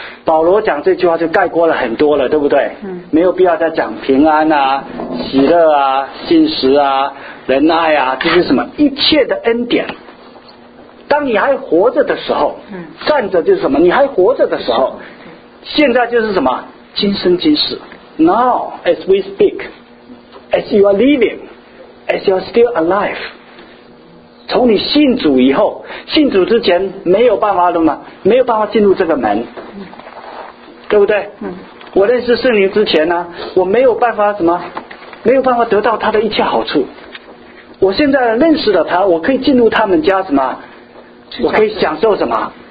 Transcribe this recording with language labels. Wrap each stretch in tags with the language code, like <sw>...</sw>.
<zh>保罗讲这句话就概括了很多了，对不对？没有必要再讲平安啊、喜乐啊、信实啊、仁爱啊，这些什么一切的恩典。当你还活着的时候，站着就是什么？你还活着的时候，现在就是什么？今生今世。</zh> <en>Now as we speak, as you are living, as you are still alive.</en> <zh>从你信主以后，信主之前没有办法的嘛，没有办法进入这个门，对不对？我认识圣灵之前呢，我没有办法什么，没有办法得到他的一切好处。我现在认识了他，我可以进入他们家什么？我可以享受什么？</zh>